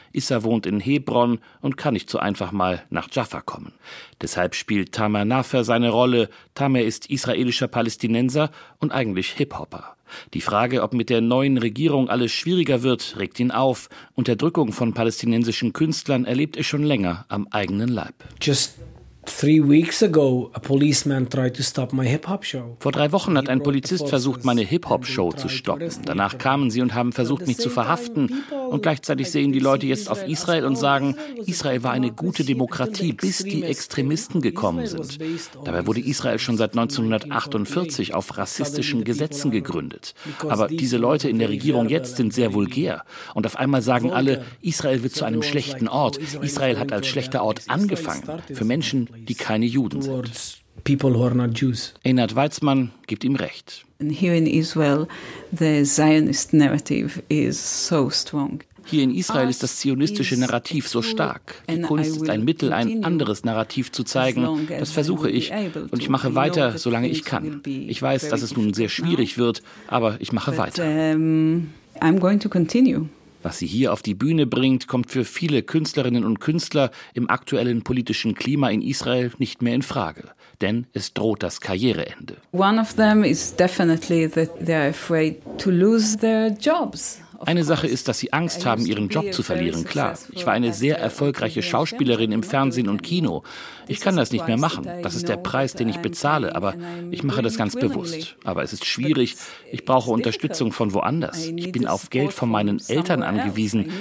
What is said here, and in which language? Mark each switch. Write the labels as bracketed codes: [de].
[de] Issa wohnt in Hebron und kann nicht so einfach mal nach Jaffa kommen. Deshalb spielt Tamer Nafer seine Rolle. Tamer ist israelischer Palästinenser und eigentlich Hip-Hopper. Die Frage, ob mit der neuen Regierung alles schwieriger wird, regt ihn auf. Unterdrückung von palästinensischen Künstlern erlebt er schon länger am eigenen Leib. [en] Just 3 weeks ago, a policeman tried to stop my hip-hop show. [de] Vor 3 Wochen hat ein Polizist versucht, meine Hip-Hop-Show zu stoppen. Danach kamen sie und haben versucht, mich zu verhaften. Und gleichzeitig sehen die Leute jetzt auf Israel und sagen, Israel war eine gute Demokratie, bis die Extremisten gekommen sind. Dabei wurde Israel schon seit 1948 auf rassistischen Gesetzen gegründet. Aber diese Leute in der Regierung jetzt sind sehr vulgär. Und auf einmal sagen alle, Israel wird zu einem schlechten Ort. Israel hat als schlechter Ort angefangen. Für Menschen, die keine Juden sind. [en] People who are not Jews. [de] Ennard Weizmann gibt ihm recht. [en] Here in Israel, the Zionist narrative is so strong. [de] Hier in Israel ist das zionistische Narrativ so stark. Die Kunst ist ein Mittel, ein anderes Narrativ zu zeigen. Das versuche ich und ich mache weiter, solange ich kann. Ich weiß, dass es nun sehr schwierig wird, aber ich mache weiter. [en] I'm going to continue. [de] Was sie hier auf die Bühne bringt, kommt für viele Künstlerinnen und Künstler im aktuellen politischen Klima in Israel nicht mehr in Frage. Denn es droht das Karriereende. [en] One of them is definitely that they are afraid to lose their jobs. [de] Eine Sache ist, dass sie Angst haben, ihren Job zu verlieren, klar. Ich war eine sehr erfolgreiche Schauspielerin im Fernsehen und Kino. Ich kann das nicht mehr machen. Das ist der Preis, den ich bezahle. Aber ich mache das ganz bewusst. Aber es ist schwierig. Ich brauche Unterstützung von woanders. Ich bin auf Geld von meinen Eltern angewiesen.